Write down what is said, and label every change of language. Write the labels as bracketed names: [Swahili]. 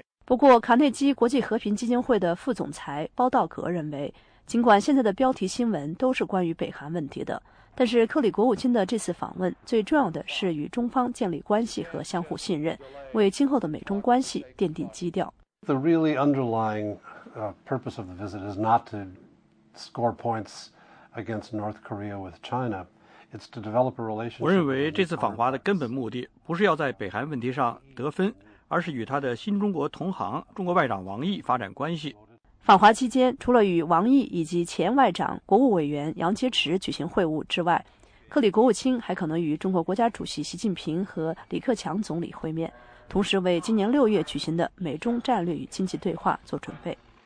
[Chinese] 不过，卡内基国际和平基金会的副总裁包道格认为，尽管现在的标题新闻都是关于北韩问题的，但是克里国务卿的这次访问最重要的是与中方建立关系和相互信任，为今后的美中关系奠定基调。 [English] The really underlying purpose of the visit is not to score points against North Korea with China. It's to develop a relationship. [Chinese] 我认为这次访华的根本目的不是要在北韩问题上得分，而是与他的新中国同行中国外长王毅发展关系。访华期间，除了与王毅以及前外长国务委员杨洁篪举行会晤之外，克里国务卿还可能与中国国家主席习近平和李克强总理会面，同时为今年6月举行的美中战略与经济对话做准备。